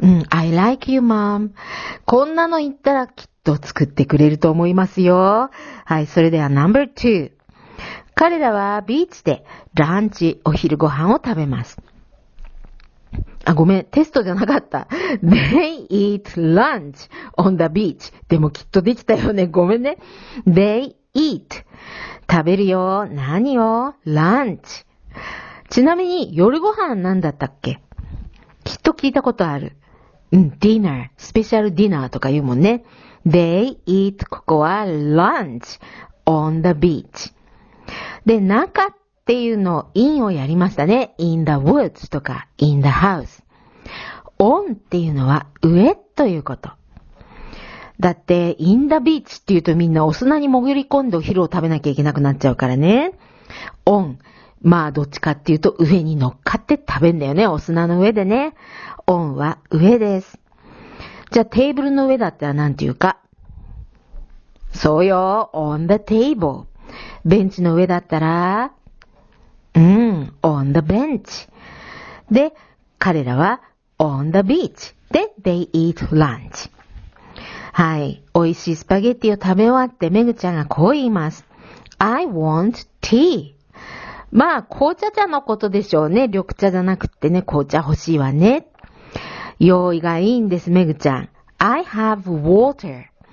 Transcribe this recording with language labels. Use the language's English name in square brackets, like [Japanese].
[English] I like you, mom. [Japanese] こんなの言ったらきっと作ってくれると思いますよ。はい、それでは [English] number two。 [Japanese] 彼らはビーチでランチ、お昼ご飯を食べます。あ、ごめん、テストじゃなかった。 [English] They eat lunch on the beach. [Japanese] でもきっとできたよね。ごめんね。 [English] They eat. [Japanese] 食べるよ。何を？Lunch. ちなみに、夜ご飯何だったっけ？きっと聞いたことある。 [English] dinner. [Japanese] スペシャルディナーとか言うもんね。 [English] They eat. [Japanese] ここは [English] lunch on the beach. [Japanese] で、中っていうの、in をやりましたね。 [English] in the woods [Japanese] とか [English] in the house。 [Japanese] オンっていうのは上ということ。だって、インダビーチっていうとみんなお砂に潜り込んでお昼を食べなきゃいけなくなっちゃうからね。オン。まあ、どっちかっていうと上に乗っかって食べんだよね。お砂の上でね。オンは上です。じゃあ、テーブルの上だったら何て言うか。そうよ。 [English] on the table。 [Japanese] ベンチの上だったら、 [English] on the bench。 [Japanese] で、彼らは、 [English] On the beach. で、they eat lunch. [Japanese] はい。美味しいスパゲッティを食べ終わって、メグちゃんがこう言います。 [English] I want tea. [Japanese] まあ、紅茶茶のことでしょうね。緑茶じゃなくってね、紅茶欲しいわね。用意がいいんです、メグちゃん。 [English] I have water.